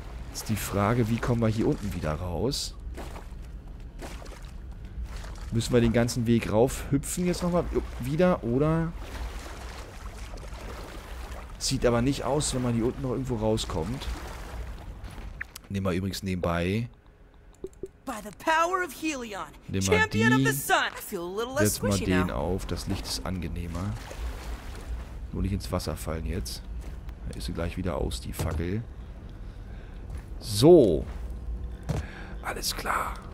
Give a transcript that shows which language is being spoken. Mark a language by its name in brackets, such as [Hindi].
[German] Jetzt die Frage, wie kommen wir hier unten wieder raus? Müssen wir den ganzen Weg rauf hüpfen jetzt nochmal wieder, oder? Sieht aber nicht aus, wenn man hier unten noch irgendwo rauskommt. Nehmen wir übrigens nebenbei... [English] By the power of Helion, Champion of the Sun. I feel a little less squishy now. [German] Setz mal den auf, das Licht ist angenehmer. Nur nicht ins Wasser fallen jetzt. Da ist sie gleich wieder aus, die Fackel. So. Alles klar.